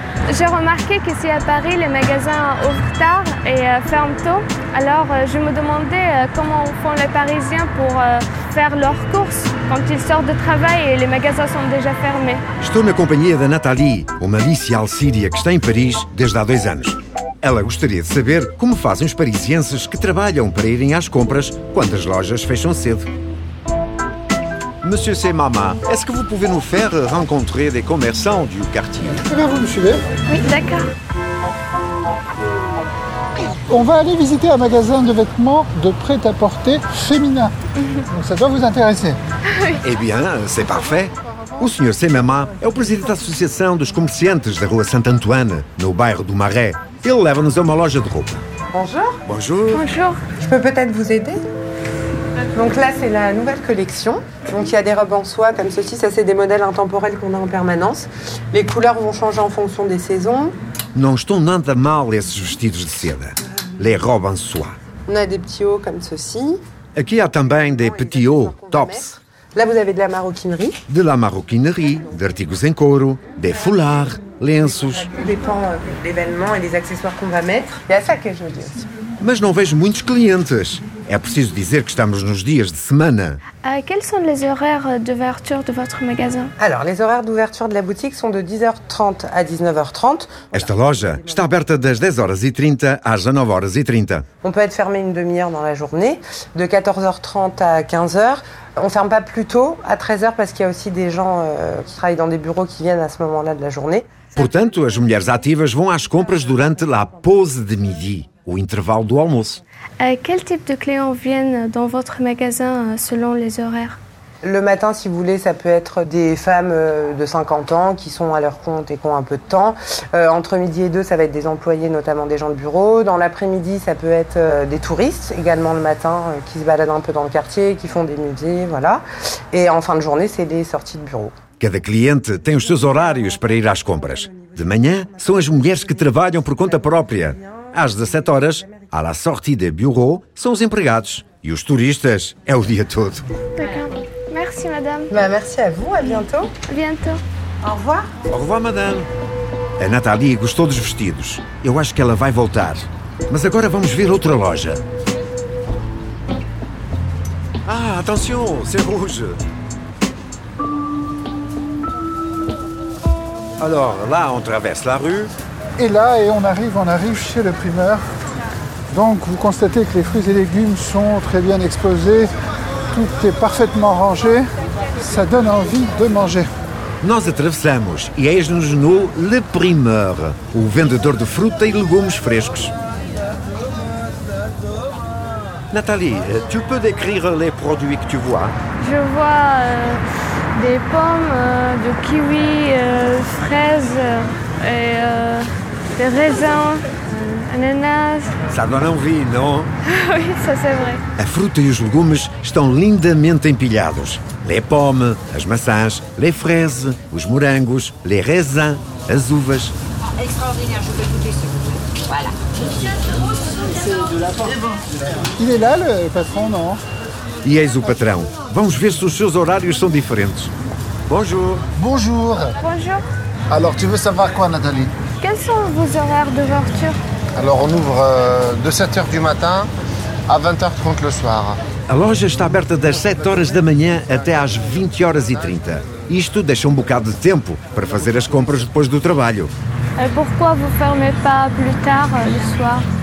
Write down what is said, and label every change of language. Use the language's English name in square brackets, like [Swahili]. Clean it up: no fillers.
[French] J'ai remarqué qu'ici à Paris, les magasins ouvrent tard et ferment tôt. Alors, je me demandais comment font les Parisiens pour faire leurs courses quand ils sortent de travail et les magasins sont déjà fermés. Je suis en compagnie de Nathalie, une viciale syrienne qui est en Paris depuis 2 ans. [Portuguese] Ela gostaria de saber como fazem os parisienses que trabalham para irem às compras quando as lojas fecham cedo. [French] Monsieur Semama, est-ce que vous pouvez nous faire rencontrer des commerçants du quartier? Très bien, vous me suivez? Oui, d'accord. On va aller visiter un magasin de vêtements de prêt-à-porter féminin. Donc ça doit vous intéresser. Eh bien, c'est parfait. [Portuguese] O Sr. Semama é o presidente da Associação dos Comerciantes da Rua Saint-Antoine, no bairro do Marais. Ele leva-nos a uma loja de roupa. [French] Bonjour. Bonjour. Bonjour. Je peux peut-être vous aider? Donc là, c'est la nouvelle collection. Donc il y a des robes en soie comme ceci. Ça, c'est des modèles intemporels qu'on a en permanence. Les couleurs vont changer en fonction des saisons. [Portuguese] Não estão nada mal esses vestidos de seda. [French] Les robes en soie. On a des petits hauts comme ceci. [Portuguese] Aqui há também [French] des petits hauts, [Portuguese] tops. [French] Là, vous avez de la maroquinerie. De la maroquinerie, d'articles en couro, des foulards, lenços. Tout dépend d'événements et des accessoires qu'on va mettre. Et à ça que je veux dire aussi. [Portuguese] Mas não vejo muitos clientes. É preciso dizer que estamos nos dias de semana. [French] Quels sont les horaires d'ouverture de votre magasin? Alors, les horaires d'ouverture de la boutique sont de 10h30 à 19h30. [Portuguese] Esta loja está aberta das 10h30 às 19h30. [French] On peut être fermé une demi-heure dans la journée, de 14h30 à 15h. On ferme pas plus tôt, à 13h, parce qu'il y a aussi des gens qui travaillent dans des bureaux qui viennent à ce moment-là de la journée. [Portuguese] Portanto, as mulheres ativas vão às compras durante [French] la pause de midi. [Portuguese] O intervalo do almoço. [French] Quel type de clients viennent dans votre magasin selon les horaires? Le matin, si vous voulez, ça peut être des femmes de 50 ans qui sont à leur compte et qui ont un peu de temps. Entre midi et deux, ça va être des employés, notamment des gens de bureau. Dans l'après-midi, ça peut être des touristes également le matin qui se baladent un peu dans le quartier, qui font des musées, voilà. Et en fin de journée, c'est des sorties de bureau. [Portuguese] Cada cliente tem os seus horários para ir às compras. De manhã, são as mulheres que trabalham por conta própria. Às 17 horas, [French] à la sortie des bureaux, [Portuguese] são os empregados. E os turistas, é o dia todo. [French] Merci, madame. Bah, merci à vous, à bientôt. Bientôt. Au revoir. Au revoir, madame. [Portuguese] A Nathalie gostou dos vestidos. Eu acho que ela vai voltar. Mas agora vamos ver outra loja. [French] Ah, attention, c'est rouge. Alors, là, on traverse la rue. Et là, et on arrive chez le primeur. Donc, vous constatez que les fruits et légumes sont très bien exposés. Tout est parfaitement rangé. Ça donne envie de manger. [Portuguese] Nós atravessamos e eis-nos no Le Primeur, o vendedor de fruta e legumes frescos. [French] Nathalie, tu peux décrire les produits que tu vois? Je vois des pommes, du kiwi, fraises et... des raisins, ananas... Ça donne envie, non? Oui, ça c'est vrai. [Portuguese] A fruta e os legumes estão lindamente empilhados. [French] Les pommes, [Portuguese] as maçãs, [French] les fraises, [Portuguese] os morangos, [French] les raisins, [Portuguese] as uvas. [French] Ah, extraordinaire, je peux goûter ce goût. Voilà. Il est là, le patron, non? [Portuguese] E eis o patrão. Vamos ver se os seus horários são diferentes. [French] Bonjour. Bonjour. Bonjour. Alors, tu veux savoir quoi, Nathalie? Quels sont vos horaires d'ouverture? Alors, on ouvre de 7h du matin à 20h30 le soir. [Portuguese] A loja está aberta das 7h da manhã até às 20h30. Isto deixa um bocado de tempo para fazer as compras depois do trabalho. [French] Et pourquoi vous fermez pas plus tard le soir?